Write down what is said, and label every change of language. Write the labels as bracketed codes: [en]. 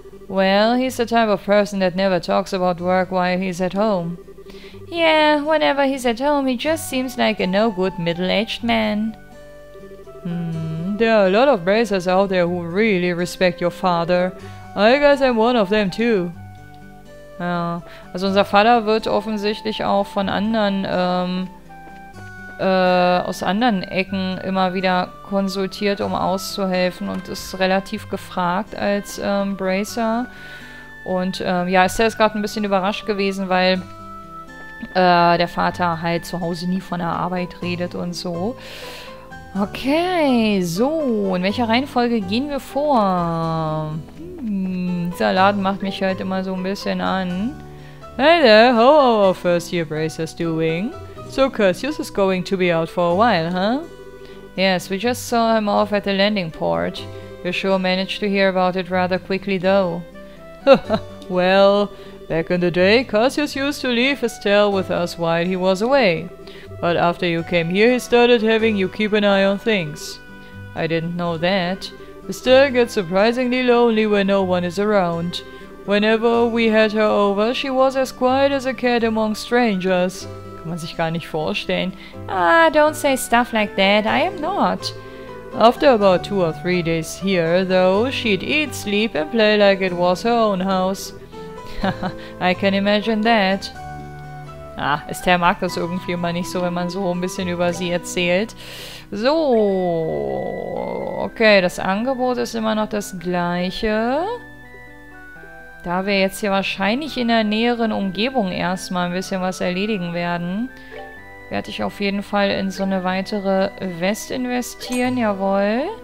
[en] Well, he's the type of person that never talks about work while he's at home. Yeah, whenever he's at home, he just seems like a no-good middle-aged man. There are a lot of bracers out there who really respect your father. I guess I'm one of them too. [de] Ja, also unser Vater wird offensichtlich auch von anderen, aus anderen Ecken immer wieder konsultiert, um auszuhelfen und ist relativ gefragt als Bracer. Und ja, ist er gerade ein bisschen überrascht gewesen, weil der Vater halt zu Hause nie von der Arbeit redet und so. Okay, so, in welcher Reihenfolge gehen wir vor? Dieser Laden macht mich halt immer so ein bisschen an. [en] Hey there, how are our first year bracers doing? So Cassius is going to be out for a while, huh? Yes, we just saw him off at the landing port. You sure managed to hear about it rather quickly, though. Well, back in the day, Cassius used to leave his tail with us while he was away. But after you came here, he started having you keep an eye on things. I didn't know that. His tail gets surprisingly lonely when no one is around. Whenever we had her over, she was as quiet as a cat among strangers. [de] Kann man sich gar nicht vorstellen. [en] Ah, don't say stuff like that. I am not. After about 2 or 3 days here, though, she'd eat, sleep and play like it was her own house. I can imagine that. [de] Ah, Esther mag das irgendwie immer nicht so, wenn man so ein bisschen über sie erzählt. So, okay, das Angebot ist immer noch das gleiche. Da wir jetzt hier wahrscheinlich in der näheren Umgebung erstmal ein bisschen was erledigen werden, werde ich auf jeden Fall in so eine weitere West investieren, jawohl.